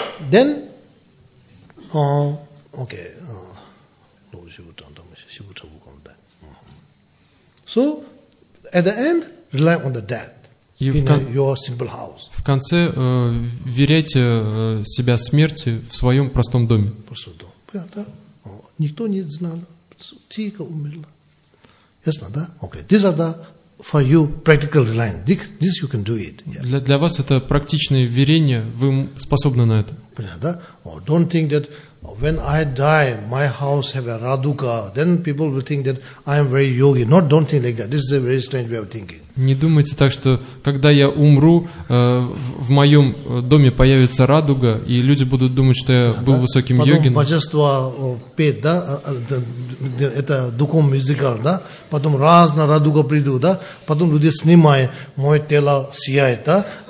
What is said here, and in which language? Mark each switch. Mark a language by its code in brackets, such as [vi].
[en] Then So, at the end, rely on the dead in your simple house. [ru] В конце веряйте себя смерти в своем простом доме. Простой дом. Понятно? Никто не знал. Тихо умерла. Ясно, да? Okay. [en] These are the for you practical reliance. This you can do it. Yeah. [ru] Для вас это практичное верение. Вы способны на это. Понятно, да? [en] Don't think that when I die, my house have a radhuka, then people will think that I am very yogi. No, don't think like that. This is a very strange way of thinking. [ru] Не думайте так, что когда я умру, в моем доме появится радуга, и люди будут думать, что я был высоким йогином. Потом божество петь, да? Это духом мюзикл, да? Потом разная радуга придут, да? Потом люди снимают, мое тело сияет, да?